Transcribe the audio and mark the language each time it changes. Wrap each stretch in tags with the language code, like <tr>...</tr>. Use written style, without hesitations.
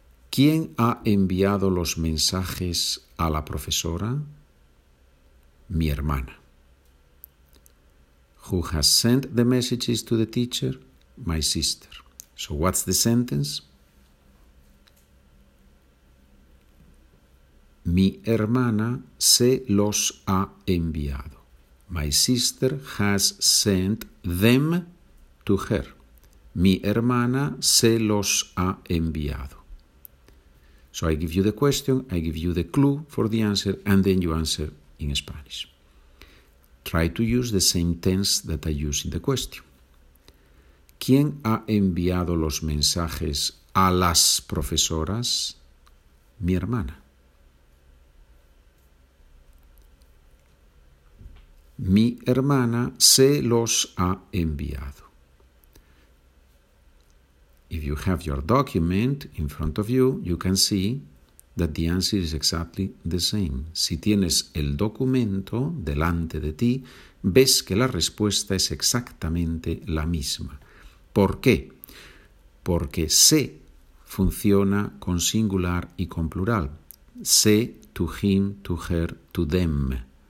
<es>¿Quién ha enviado los mensajes a la profesora? Mi hermana.</es> <en>Who has sent the messages to the teacher? My sister. So what's the sentence?</en> <es>Mi hermana se los ha enviado.</es> <en>My sister has sent them to her.</en> <es>Mi hermana se los ha enviado.</es> <en>So I give you the question, I give you the clue for the answer, and then you answer in Spanish. Try to use the same tense that I use in the question.</en> <es>¿Quién ha enviado los mensajes a las profesoras? Mi hermana. Mi hermana se los ha enviado.</es> <en>If you have your document in front of you, you can see that the answer is exactly the same.</en> <es>Si tienes el documento delante de ti, ves que la respuesta es exactamente la misma. ¿Por qué? Porque se funciona con singular y con plural.</es> <en>Se, to him, to her, to them.</en>